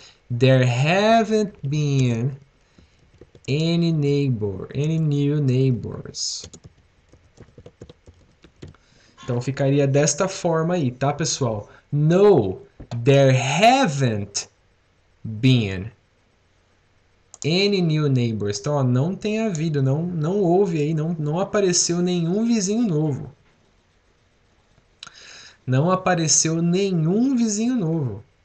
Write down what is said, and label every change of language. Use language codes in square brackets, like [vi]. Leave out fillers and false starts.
[en] There haven't been any neighbor, any new neighbors. [pt] Então, ficaria desta forma aí, tá, pessoal? [en] No, there haven't been any new neighbors. [pt] Então, ó, não tem havido, não houve aí, não apareceu nenhum vizinho novo. Não apareceu nenhum vizinho novo.